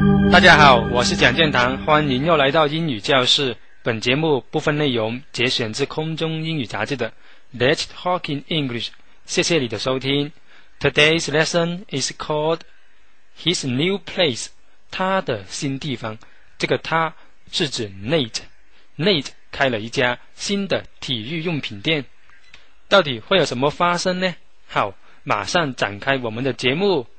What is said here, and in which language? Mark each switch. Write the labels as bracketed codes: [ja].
[zh] 大家好，我是蒋建堂，欢迎又来到英语教室。本节目部分内容节选自空中英语杂志的 Let's Talk in English， 谢谢你的收听。 [en] Today's lesson is called His New Place， [zh] 他的新地方。这个他是指 Nate， Nate 开了一家新的体育用品店，到底会有什么发生呢？好，马上展开我们的节目。